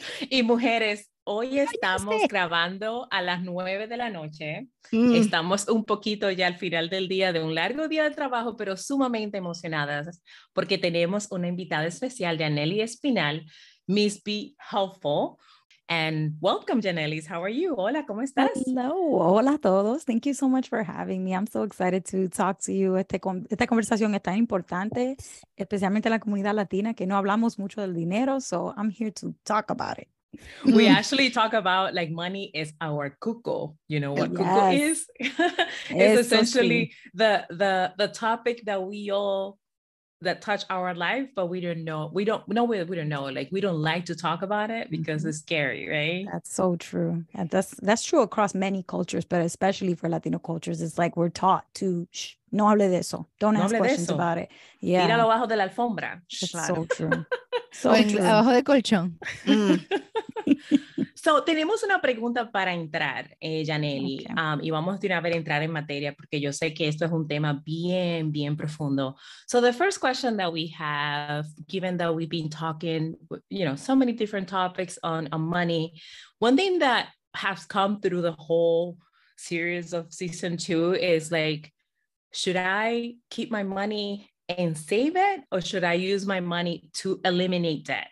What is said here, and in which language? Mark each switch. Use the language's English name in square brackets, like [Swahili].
[Spanish] Y mujeres, hoy estamos grabando a las 9 de la noche. Mm. Estamos un poquito ya al final del día de un largo día de trabajo, pero sumamente emocionadas porque tenemos una invitada especial, Yanely Espinal, Miss Be Helpful. [English] And welcome, Yanely. How are you? [Spanish] Hola, ¿cómo estás? [English] Hello. [Spanish] Hola a todos. [English] Thank you so much for having me. I'm so excited to talk to you. [Spanish] Esta conversación es tan importante, especialmente en la comunidad latina, que no hablamos mucho del dinero. [English] So I'm here to talk about it. We actually talk about, like, money is our cuco. You know what cuco is? It's essentially the topic that we all, that touch our life, but we don't know, like, we don't like to talk about it because it's scary, right? That's so true. And that's true across many cultures, but especially for Latino cultures, it's like we're taught to shh, [Spanish] no hable de eso, [English] don't ask questions about it. [Spanish] Yeah, mira abajo de la alfombra. [English] So true. So true. [Spanish] Abajo de colchón. So, tenemos una pregunta para entrar, Yanely, okay. Y vamos de una vez a entrar en materia porque yo sé que esto es un tema bien, bien profundo. [English] So, the first question that we have, given that we've been talking, you know, so many different topics on money, one thing that has come through the whole series of season two is like, should I keep my money and save it or should I use my money to eliminate debt?